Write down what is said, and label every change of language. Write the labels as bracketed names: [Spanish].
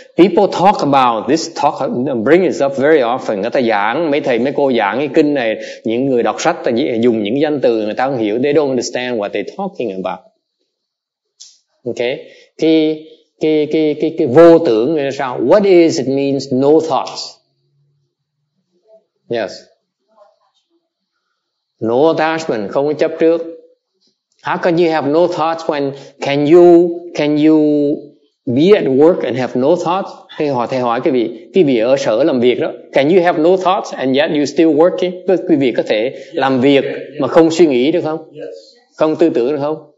[English] People talk about this talk, bring it up very often. [Vietnamese] Người ta giảng, mấy thầy, mấy cô giảng cái kinh này, những người đọc sách ta dùng những danh từ người ta không hiểu. [English] They don't understand what they're talking about. Okay? [Vietnamese] Cái vô tưởng là sao? [English] What is it means no thoughts? Yes. No attachment, [Vietnamese] không có chấp trước. [English] How can you have no thoughts when can you be at work and have no thoughts? [Vietnamese] Thầy hỏi quý vị ở sở làm việc đó. [English] Can you have no thoughts and yet you still working? [Vietnamese] Quý vị có thể làm việc mà không suy nghĩ được không? [English] Yes. [Vietnamese] Không tư tưởng được không?